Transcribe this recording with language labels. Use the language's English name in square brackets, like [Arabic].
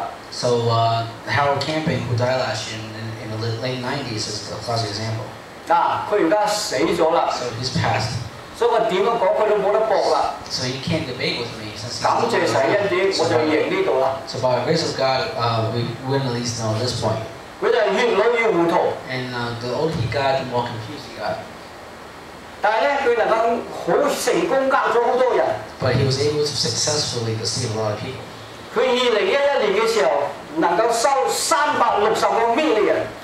[English] So Harold Camping, who died last year in the late 90s, is a classic example. So he's passed. [Cantonese] 所以我點樣講佢都冇得駁啦。 [English] So you can't debate with me. [Cantonese] 感謝神恩典，我就贏呢度啦。 [English] So by the grace of God, we win at least on this point. [Cantonese] 佢就越老越糊塗。 [English] And the older he got, the more confused he got. [Cantonese] 但係咧，佢能夠好成功教咗好多人。 [English] But he was able to successfully deceive a lot of people. [Cantonese] 佢2011年嘅時候能夠收360 million。